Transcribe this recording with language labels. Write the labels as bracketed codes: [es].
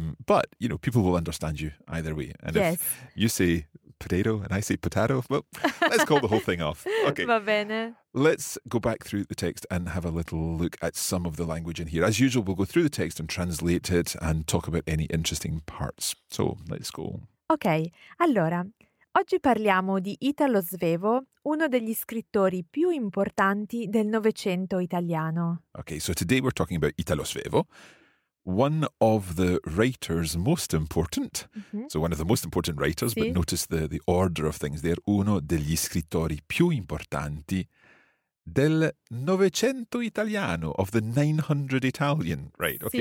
[en] But, you know, people will understand you either way. And yes, if you say potato and I say potato, well, let's call the whole thing off. Okay. [it] Va bene. [en] Let's go back through the text and have a little look at some of the language in here. As usual, we'll go through the text and translate it and talk about any interesting parts. So, let's go. [it] Ok, allora, oggi parliamo di Italo Svevo, uno degli scrittori più importanti del Novecento italiano. [en] Ok, so today we're talking about Italo Svevo, one of the writers most important, mm-hmm, so one of the most important writers, [it] sì, [en] but notice the order of things there, [it] uno degli scrittori più importanti del Novecento Italiano, [en] of the 900 Italian, right? Okay,